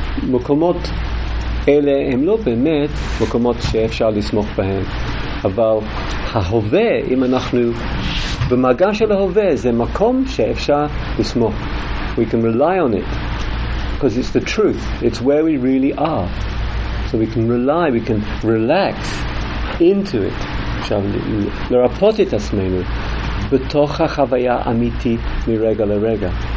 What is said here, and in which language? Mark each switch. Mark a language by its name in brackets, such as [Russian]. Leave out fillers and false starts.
[Hebrew] מקומות אלה הם לא באמת מקומות שאפשר לסמוך בהם, אבל ההווה, אם אנחנו במגע של ההווה, זה מקום שאפשר לסמוך. [English] We can rely on it because it's the truth, it's where we really are. So we can rely, we can relax into it. [Hebrew] עכשיו, לרפות את עצמנו בתוך החוויה האמיתי מרגע לרגע.